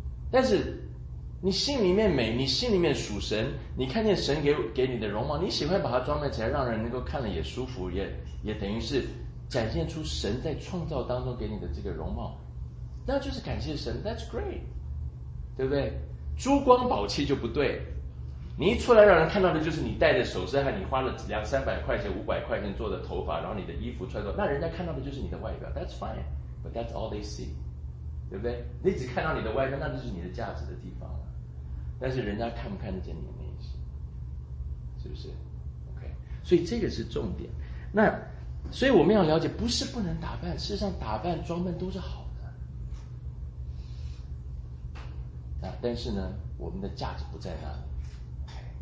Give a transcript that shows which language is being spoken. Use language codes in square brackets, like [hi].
[zh] 但是你心里面美，你心里面属神，你看见神 给你的容貌，你喜欢把它装扮起来，让人能够看了也舒服， 也等于是展现出神在创造当中给你的这个容貌，那就是感谢神。 [en] That's great， [zh] 对不对？珠光宝气就不对，你一出来让人看到的就是你戴的首饰和你花了两三百块钱五百块钱做的头发，然后你的衣服穿着，那人家看到的就是你的外表。 [en] That's fine， but that's all they see， [zh] 对不对？你只看到你的外表，那就是你的价值的地方了。但是人家看不看得见你的内心，是不是？ OK， 所以这个是重点。那所以我们要了解，不是不能打扮，事实上打扮装扮都是好的，那但是呢我们的价值不在那里。